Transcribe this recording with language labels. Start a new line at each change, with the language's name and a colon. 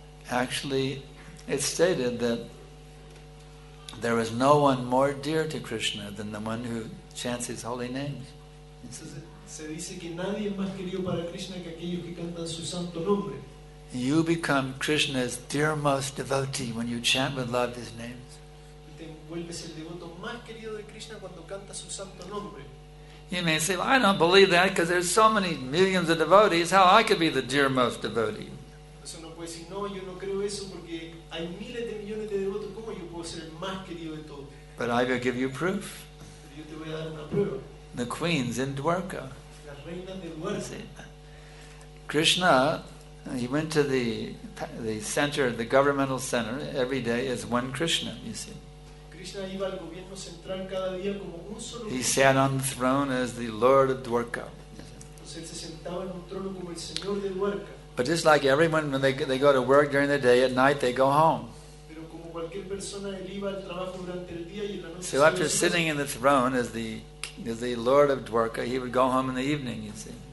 English: Actually, it's stated that there is no one more dear to Krishna than the one who chants his holy names.
Spanish: Se dice que nadie es más querido para Krishna que aquellos que cantan su santo nombre.
English: You become Krishna's dearmost devotee when you chant with love his names.
Spanish: Te vuelves el devoto más querido de Krishna cuando canta su santo nombre.
English: You may say, well, I don't believe that because there's so many millions of devotees. How I could be the dearmost devotee?
Spanish: Eso no puede decir, no, yo no creo eso porque hay miles de millones de devotos. ¿Cómo yo puedo ser el más querido de todos?
English: But I will give you proof.
Spanish: Yo te voy a dar una prueba.
English: The queens in Dwarka.
Spanish: La reina de Dwarka. See,
English: Krishna, he went to the center, the governmental center, every day as one Krishna, you see.
Spanish: Krishna iba al gobierno central cada día como un solo.
English: He sat on the throne as the Lord of Dwarka.
Spanish: Entonces, él se sentaba en un trono como el señor de Dwarka.
English: But just like everyone, when they go to work during the day, at night they go home.
Spanish: Pero como cualquier persona, él iba al trabajo durante el día y en la noche.
English: So after sitting in the throne as the Lord of Dwarka, he would go home in the evening, you see.